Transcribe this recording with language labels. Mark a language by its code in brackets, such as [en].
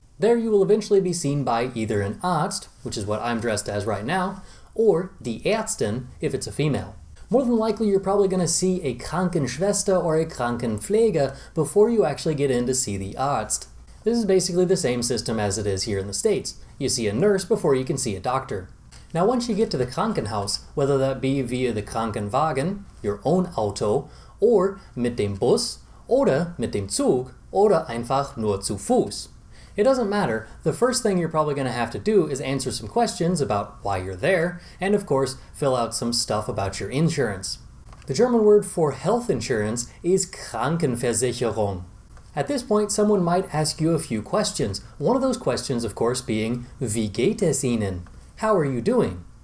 [en] There you will eventually be seen by either an Arzt, which is what I'm dressed as right now, or die Ärztin, if it's a female. More than likely, you're probably going to see a Krankenschwester or a Krankenpflege before you actually get in to see the Arzt. This is basically the same system as it is here in the States. You see a nurse before you can see a doctor. Now, once you get to the Krankenhaus, whether that be via the Krankenwagen, your own Auto, or [de] mit dem Bus, oder mit dem Zug, oder einfach nur zu Fuß. [en] It doesn't matter, the first thing you're probably going to have to do is answer some questions about why you're there, and of course, fill out some stuff about your insurance. The German word for health insurance is Krankenversicherung. At this point, someone might ask you a few questions, one of those questions, of course, being [de] Wie geht es Ihnen? [en] How are you doing?